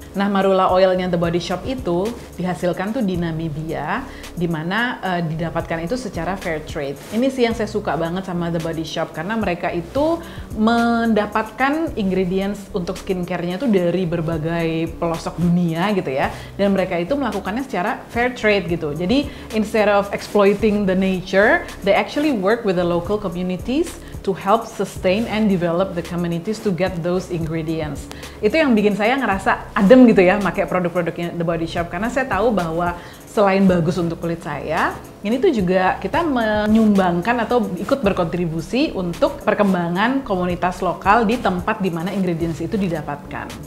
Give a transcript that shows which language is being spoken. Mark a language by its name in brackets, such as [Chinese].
[Indonesian] Nah, marula oilnya The Body Shop itu dihasilkan tuh di Namibia, di mana didapatkan itu secara fair trade. Ini sih yang saya suka banget sama The Body Shop, karena mereka itu mendapatkan ingredients untuk skincare-nya tuh dari berbagai pelosok dunia gitu ya. Dan mereka itu melakukannya secara fair trade gitu. [English] Jadi, instead of exploiting the nature, they actually work with the local communities to help sustain and develop the communities to get those ingredients. [Indonesian] Itu yang bikin saya ngerasa adem gitu ya, pakai produk-produknya The Body Shop, karena saya tahu bahwa selain bagus untuk kulit saya, ini tuh juga kita menyumbangkan atau ikut berkontribusi untuk perkembangan komunitas lokal di tempat di mana ingredients itu didapatkan.